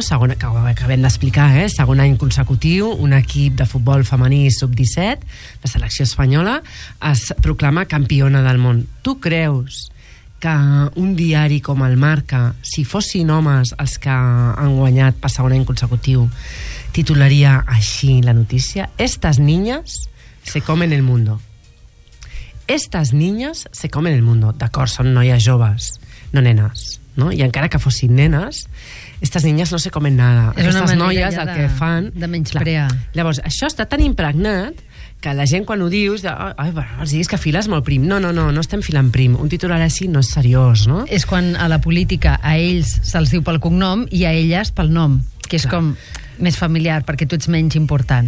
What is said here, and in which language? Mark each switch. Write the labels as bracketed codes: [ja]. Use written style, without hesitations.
[ca] Segon, que acabem d'explicar, segon any consecutiu, un equip de futbol femení sub-17, la selecció espanyola, es proclama campiona del món. Tu creus que un diari com el Marca, si fossin homes els que han guanyat per segon any consecutiu, titularia així la notícia? [es] Estas niñas se comen el mundo. Estas niñas se comen el mundo. [ca] D'acord, són noies joves, no nenes, no? I encara que fossin nenes, [es] estas niñas no se comen nada. [ca] Aquestes noies el que fan... De menysprear. Llavors, això està tan impregnat que la gent quan ho dius... Ai, bueno, els diguis que files molt prim. No estem filant prim. Un titular així no és seriós, no? És quan a la política a ells se'ls diu pel cognom i a elles pel nom, que és com... més familiar, perquè tu ets menys important.